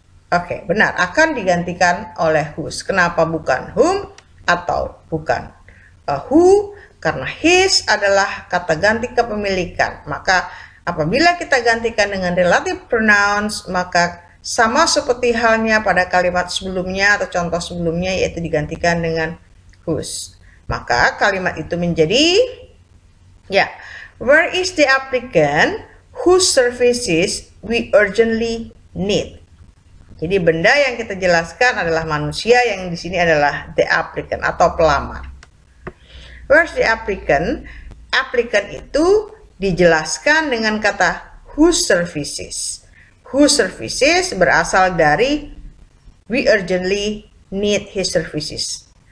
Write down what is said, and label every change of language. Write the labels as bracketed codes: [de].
[id] Oke, benar, akan digantikan oleh whose. Kenapa bukan whom atau bukan who? Karena his adalah kata ganti kepemilikan. Maka apabila kita gantikan dengan relative pronouns, maka sama seperti halnya pada kalimat sebelumnya atau contoh sebelumnya, yaitu digantikan dengan whose. Maka kalimat itu menjadi, ya, [en] where is the applicant whose services we urgently need? [id] Jadi benda yang kita jelaskan adalah manusia, yang di sini adalah [en] the applicant [id] atau pelamar. [en] Where's the applicant? Applicant [id] itu dijelaskan dengan kata [en] whose services. Whose services [id] berasal dari [en] we urgently need his services.